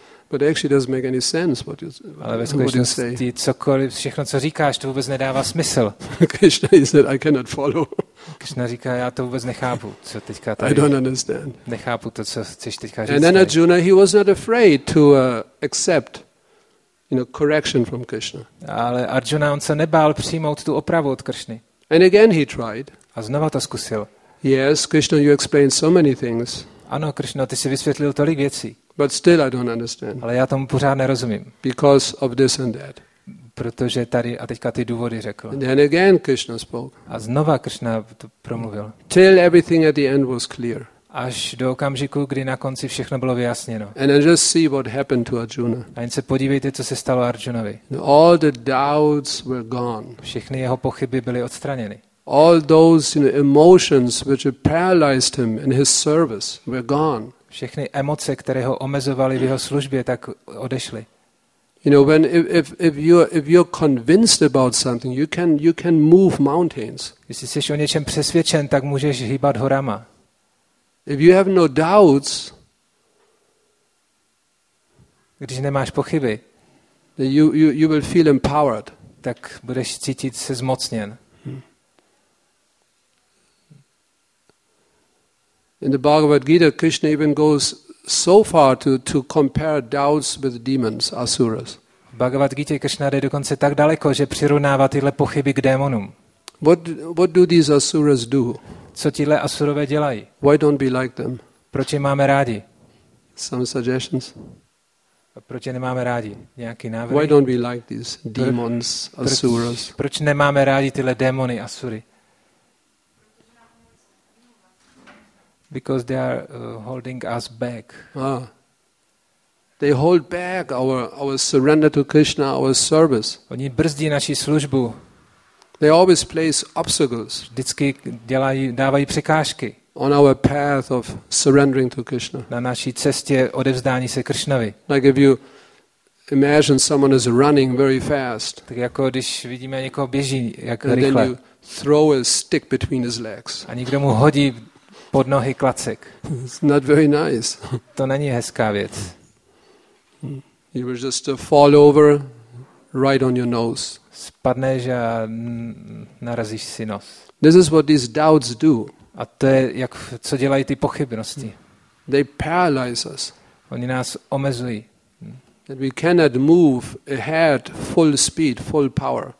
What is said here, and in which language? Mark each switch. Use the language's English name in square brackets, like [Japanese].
[English] But actually it doesn't make any sense what you say. [Czech] Ale ve skutečnosti cokoliv, všechno, co říkáš, to vůbec nedává smysl. [English] Krishna, he said, I cannot follow. [Czech] Krishna říká, já to vůbec nechápu, co teďka tady. [English] I don't understand. [Czech] Nechápu to, co chceš teďka říct. [English] And then Arjuna, he was not afraid to accept, you know, correction from Krishna. [Czech] Ale Arjuna, on se nebál přijmout tu opravu od Krishny. [English] And again he tried. [Czech] A znova to zkusil. [English] Yes, Krishna, you explained so many things. [Czech] Ano, Krishna, ty jsi vysvětlil tolik věcí. [English] But still I don't understand. [Czech] Ale já tomu pořád nerozumím. [English] Because of this and that. [Czech] Protože tady a teďka ty důvody řekl. [English] And then again Krishna spoke. [Czech] A znova Krishna promluvil. [English] Till everything at the end was clear. [Czech] Až do okamžiku, kdy na konci všechno bylo vyjasněno. [English] And then just see what happened to Arjuna. [Czech] A jen se podívejte, co se stalo Arjunovi. [English] All the doubts were gone. [Czech] Všechny jeho pochyby byly odstraněny. [English] All those, you know, emotions which had paralyzed him in his service were gone. [Czech] Všechny emoce, které ho omezovaly v jeho službě, tak odešly. [English] You know, when if you're convinced about something, you can move mountains. [Czech] Jestli jsi o něčem přesvědčen, tak můžeš hýbat horama. [English] If you have no doubts, [Czech] když nemáš pochyby, [English] then you will feel empowered. [Czech] Tak budeš cítit se zmocněn. [English] In the Bhagavad Gita, Krishna even goes so far to compare doubts with demons, asuras. [Czech] V Bhagavad Gita Krishna jde dokonce tak daleko, že přirovnává tyhle pochyby k démonům. [English] What do these asuras do? [Czech] Co tyhle asurové dělají? [English] Why don't we like them? [Czech] Proč je máme rádi? [English] Some suggestions. [Czech] Proč je nemáme rádi? Nějaký návrh? [English] Why don't we like these demons, asuras? [Czech] Proč nemáme rádi tyhle démony, asury? [English] Because they are holding us back. Ah. They hold back our surrender to Krishna, our service. [Czech] Oni brzdí naši službu. [English] They always place obstacles. [Czech] Vždycky dávají překážky. [English] On our path of surrendering to Krishna. [Czech] Na naší cestě odevzdání se Krishnovi. [English] Like if you imagine someone is running very fast. [Czech] Tak jako když vidíme někoho běží jak rychle. [English] And then you throw a stick between his legs. [Czech] A někdo mu hodí pod nohy klacek. [English] It's not very nice. [Czech] To není hezká věc. [English] You will just fall over right on your nose. [Czech] Spadneš a narazíš si nos. [English] This is what these doubts do. [Czech] A to je, jak, co dělají ty pochybnosti. [English] They paralyze us. [Czech] Oni nás omezují. [English] That we cannot move ahead full speed, full power.